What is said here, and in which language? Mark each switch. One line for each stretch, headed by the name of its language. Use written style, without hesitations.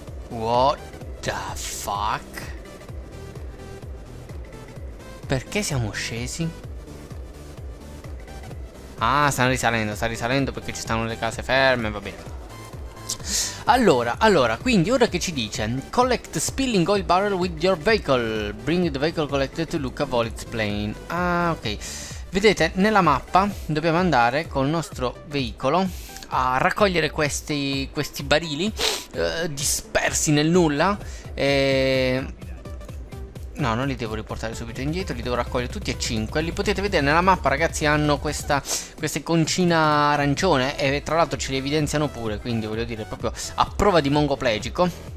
English: What the fuck?
Italian: Perché siamo scesi? Ah, sta risalendo perché ci stanno le case ferme, va bene. Allora, quindi ora che ci dice?
English: Collect spilling oil barrel with your vehicle. Bring the vehicle collected to Luca Volitz Plain.
Italian: Ah, ok. Vedete, nella mappa dobbiamo andare col nostro veicolo a raccogliere questi barili dispersi nel nulla. E no, non li devo riportare subito indietro, li devo raccogliere tutti e 5. Li potete vedere nella mappa, ragazzi, hanno questa iconcina arancione e tra l'altro ce li evidenziano pure, quindi voglio dire, proprio a prova di mongoplegico.